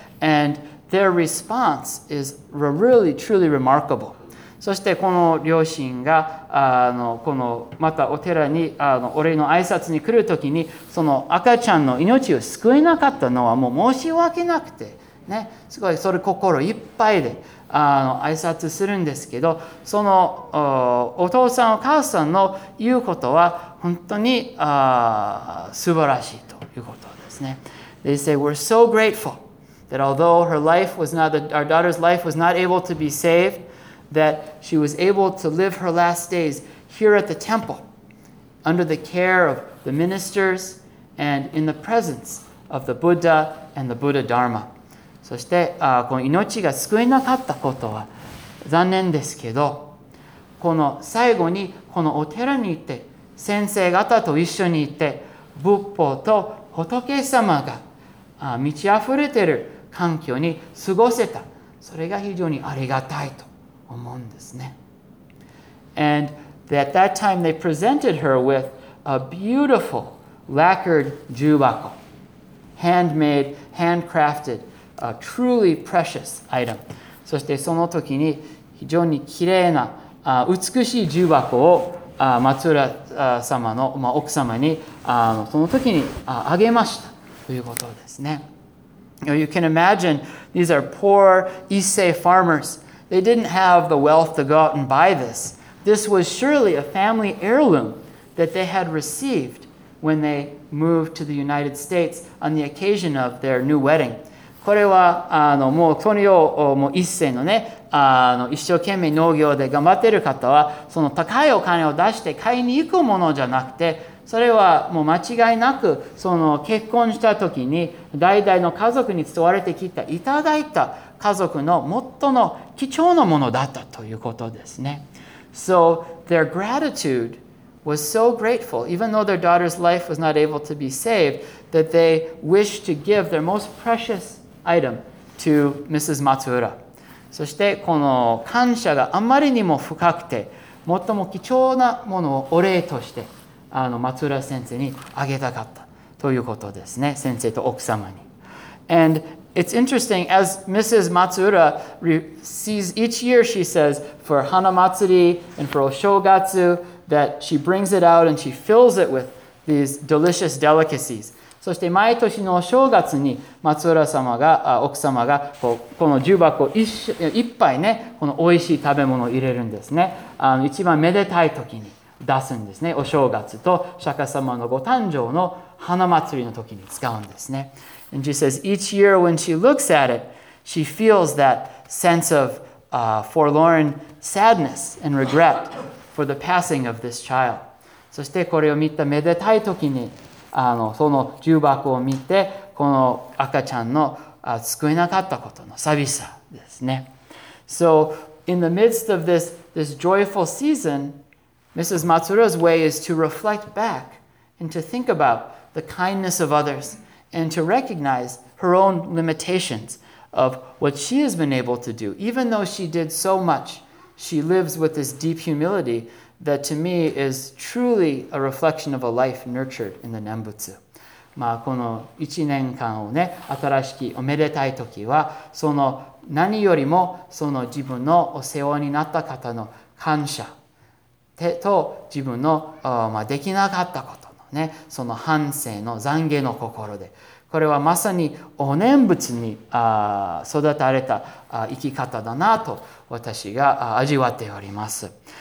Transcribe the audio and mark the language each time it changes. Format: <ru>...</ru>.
<en>And... Their response is really, truly remarkable.</en> <ja>そしてこの両親がこのまたお寺にお礼の挨拶に来るときにその赤ちゃんの命を救えなかったのはもう申し訳なくて、ね、すごいそれ心いっぱいで挨拶するんですけどその お父さんお母さんの言うことは本当に素晴らしいということですね。</ja> <en>They say we're so gratefulthat although her life was not, our daughter's life was not able to be saved, that she was able to live her last days here at the temple, under the care of the ministers and in the presence of the Buddha and the Buddha Dharma.</en> <ja>そして、この命が救えなかったことは残念ですけど、この最後にこのお寺に行って、先生方と一緒に行って、仏法と仏様が満ち溢れている環境に過ごせた。それが非常にありがたいと思うんですね。</ja> <en>And at that time they presented her with a beautiful lacquered jubako, handmade, handcrafted, a truly precious item.</en> <ja>そしてその時に非常に綺麗な、美しい重箱を松浦様の、まあ、奥様にその時にあげましたということですね。</ja> <en>You can imagine these are poor Issei farmers. They didn't have the wealth to go out and buy this. This was surely a family heirloom that they had received when they moved to the United States on the occasion of their new wedding.</en> <ja>これはもうトニオも一世のね一生懸命農業で頑張っている方はその高いお金を出して買いに行くものじゃなくてそれはもう間違いなくその結婚した時に代々の家族に伝われてきたいただいた家族の最も貴重なものだったということですね。</ja> <en>So their gratitude was so grateful, even though their daughter's life was not able to be saved, that they wished to give their most precious item to Mrs. Matsuura.</en> <ja>そしてこの感謝があまりにも深くて最も貴重なものをお礼として松浦先生にあげたかったということですね。先生と奥様に。</ja> <en>And it's interesting, as Mrs. Matsuura sees each year, she says, for Hana Matsuri and for Oshogatsu, that she brings it out and she fills it with these delicious delicacies.</en> <ja>そして毎年の正月に松浦様が奥様がこうこの重箱を一杯ね、この美味しい食べ物を入れるんですね。あの一番めでたい時に出すんですね。お正月と釈迦様のご誕生の花祭りの時に使うんですね。</ja> <en>And she says, each year when she looks at it, she feels that sense of forlorn sadness and regret for the passing of this child.</en> <ja>そしてこれを見ためでたい時に、あのその重箱を見て、この赤ちゃんの救えなかったことの寂しさですね。</ja> <en>So, in the midst of this joyful season, Mrs. Matsura's way is to reflect back and to think about the kindness of others and to recognize her own limitations of what she has been able to do. Even though she did so much, she lives with this deep humility that to me is truly a reflection of a life nurtured in the Nembutsu.</en> <ja>まあこの1年間をね、新しきおめでたい時は、その何よりもその自分のお世話になった方の感謝と自分のまあできなかったことのね、その反省の懺悔の心で、これはまさにお念仏に育たれた生き方だなと私が味わっております。</ja>